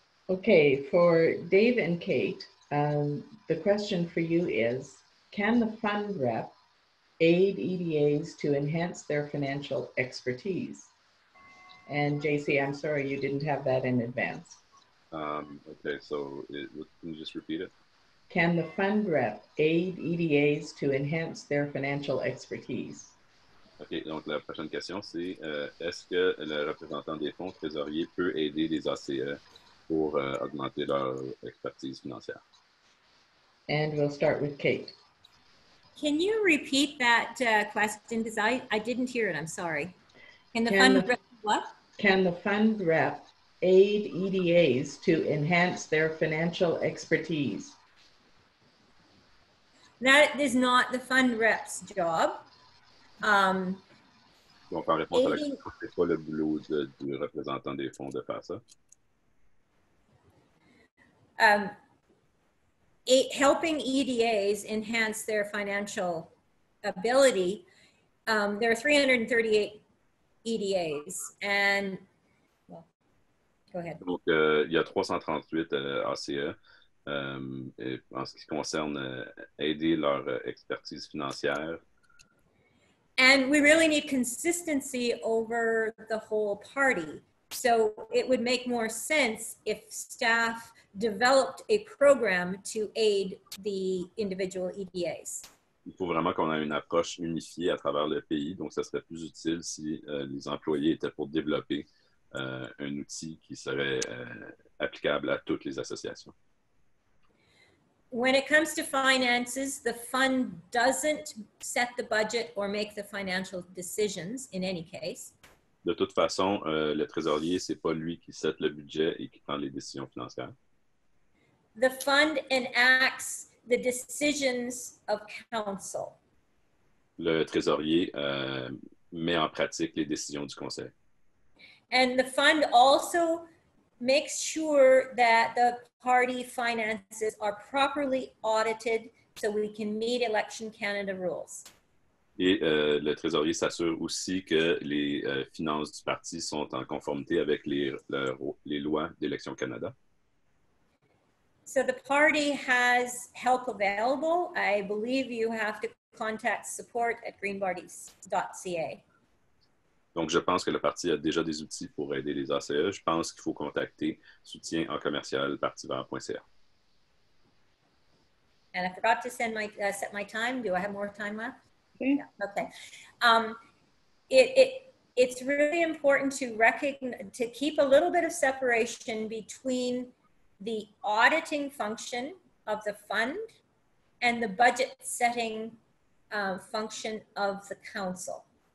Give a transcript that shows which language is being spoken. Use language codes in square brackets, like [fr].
[en] Okay, for Dave and Kate, the question for you is, can the fund rep aid EDAs to enhance their financial expertise? And JC, I'm sorry, you didn't have that in advance. Okay, so can you just repeat it? Can the fund rep aid EDAs to enhance their financial expertise? [fr] Okay, donc la prochaine question, c'est est-ce que le représentant des fonds trésoriers peut aider les ACE pour augmenter leur expertise financière? [en] And we'll start with Kate. Can you repeat that question? Because I didn't hear it, I'm sorry. Can the fund rep aid EDAs to enhance their financial expertise? That is not the fund rep's job. [fr] Donc, en réponse à la question, c'est pas le boulot du représentant des fonds de faire ça. [en] Helping EDAs enhance their financial ability. There are 338 EDAs, and go ahead. [fr] Donc, il y a 338 ACE. Et en ce qui concerne aider leur expertise financière. [en] And we really need consistency over the whole party. So it would make more sense if staff developed a program to aid the individual EDAs. [fr] Il faut vraiment qu'on ait une approche unifiée à travers le pays, donc ça serait plus utile si les employés étaient pour développer un outil qui serait applicable à toutes les associations. [en] When it comes to finances, the fund doesn't set the budget or make the financial decisions in any case. [fr] De toute façon, le trésorier, c'est pas lui qui set le budget et qui prend les décisions financières. [en] The fund enacts the decisions of council. [fr] Le trésorier met en pratique les décisions du conseil. [en] And the fund also makes sure that the party finances are properly audited so we can meet Election Canada rules. [fr] Et le trésorier s'assure aussi que les finances du parti sont en conformité avec les lois d'Élection Canada. [en] So the party has help available. I believe you have to contact support at greenparties.ca. [fr] Donc, je pense que le parti a déjà des outils pour aider les ACE. Je pense qu'il faut contacter soutien en commercial partivert.ca. [en] And I forgot to send my set my time. Do I have more time left? Mm-hmm. Okay. It's really important to recognize, to keep a little bit of separation between the auditing function of the fund and the budget setting function of the council.